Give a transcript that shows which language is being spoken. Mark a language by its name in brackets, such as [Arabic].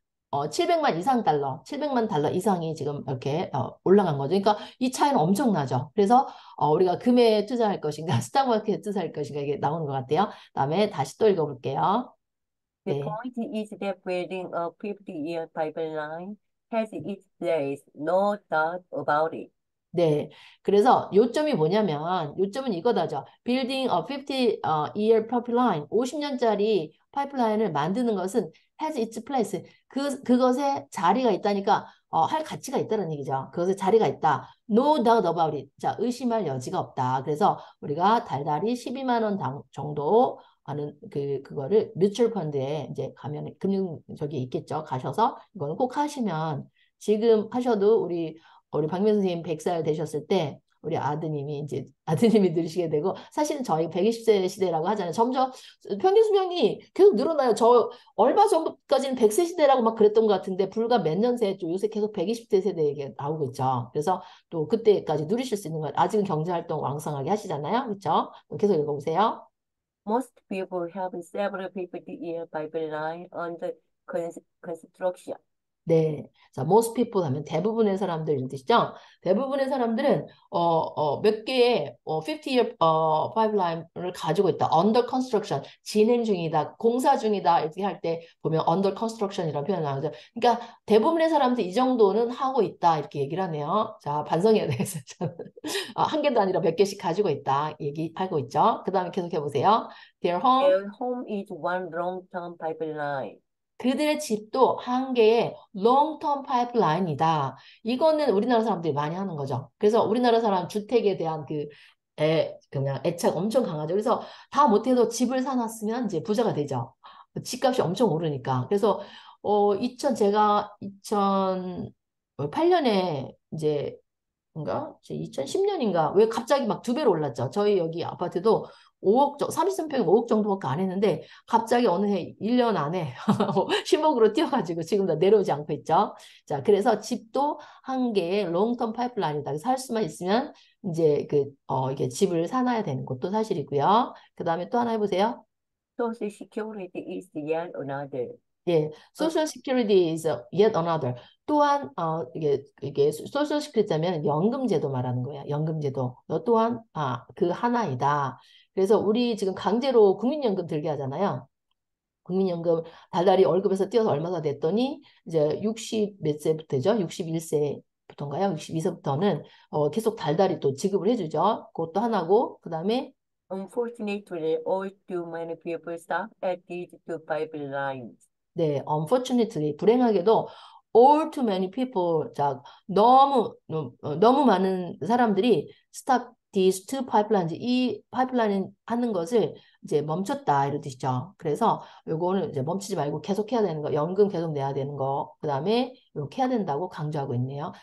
[Korean] 700만 이상 달러, 700만 달러 이상이 지금 이렇게 올라간 거죠. 그러니까 이 차이는 엄청나죠. 그래서 우리가 금에 투자할 것인가, 스탁마켓에 투자할 것인가 이게 나오는 것 같아요. 다음에 다시 또 읽어볼게요. [English] The [Korean] 네. [English] point is that building a 50-year pipeline has its place, no doubt about it. [Korean] 네. 그래서 요점이 뭐냐면 요점은 이거다죠. [English] Building a 50 year pipeline, [Korean] 50년짜리 파이프라인을 만드는 것은 [English] has its place. [Korean] 그것에 자리가 있다니까 할 가치가 있다는 얘기죠. 그것에 자리가 있다. [English] No doubt about it. [Korean] 자, 의심할 여지가 없다. 그래서 우리가 달달이 12만 원당 정도 하는 그거를 뮤추얼 펀드에 이제 가면 금융 저기 있겠죠. 가셔서 이거는 꼭 하시면 지금 하셔도 우리 박민 선생님 100살 되셨을 때 우리 아드님이 늘으시게 되고 사실은 저희 120세 시대라고 하잖아요. 점점 평균 수명이 계속 늘어나요. 저 얼마 전까지는 100세 시대라고 막 그랬던 것 같은데 불과 몇년새또 요새 계속 120세 세대에게 나오고 있죠. 그래서 또 그때까지 누리실 수 있는 건 아직은 경제활동 왕성하게 하시잖아요. 그렇죠? 계속 읽어보세요. [English] Most people have several 50-year pipeline under construction. [Korean] 네. 자, [English] most people [Korean] 하면 대부분의 사람들 뜻이죠. 대부분의 사람들은 몇 개의 50-year pipeline을 가지고 있다. [English] Under construction, [Korean] 진행 중이다, 공사 중이다 이렇게 할때 보면 [English] under construction [Korean] 이라고 표현하죠. 그러니까 대부분의 사람들이 이 정도는 하고 있다 이렇게 얘기를 하네요. 자, 반성해야 되겠어요. 한 개도 아니라 몇 개씩 가지고 있다 얘기하고 있죠. 그다음에 계속해 보세요. [English] Their home. Their home is one long-term pipeline. [Korean] 그들의 집도 한 개의 [English] long-term pipeline [Korean] 이다. 이거는 우리나라 사람들이 많이 하는 거죠. 그래서 우리나라 사람 주택에 대한 그냥 애착 엄청 강하죠. 그래서 다 못해도 집을 사놨으면 이제 부자가 되죠. 집값이 엄청 오르니까. 그래서, 제가 2008년에 이제, 뭔가? 2010년인가? 왜 갑자기 막두 배로 올랐죠? 저희 여기 아파트도 5억, 33평에 5억 정도밖에 안 했는데, 갑자기 어느 해 1년 안에 10억으로 뛰어가지고 지금 다 내려오지 않고 있죠. 자, 그래서 집도 한 개의 롱텀 파이프라인이다. 살 수만 있으면 이제 이게 집을 사놔야 되는 것도 사실이고요. 그 다음에 또 하나 해보세요. [English] Social security is yet another. [Korean] 예, [English] social security is yet another. [Korean] 또한 이게 social security 하면 연금 제도 말하는 거야. 연금 제도. 또한 그 하나이다. 그래서 우리 지금 강제로 국민연금 들게 하잖아요. 국민연금 달달이 월급에서 뛰어서 얼마나 됐더니 이제 60몇 세부터죠? 61세부터인가요? 62세부터는 계속 달달이 또 지급을 해주죠. 그것도 하나고, 그다음에 [English] Unfortunately, all too many people stop at these two pipelines. [Korean] 네, [English] unfortunately, [Korean] 불행하게도 [English] all too many people, [Korean] 자, 너무 많은 사람들이 [English] stop these two pipelines, [Korean] 이 파이프라인 하는 것을 이제 멈췄다, 이런 뜻이죠. 그래서 요거는 이제 멈추지 말고 계속해야 되는 거, 연금 계속 내야 되는 거, 그 다음에 이렇게 해야 된다고 강조하고 있네요.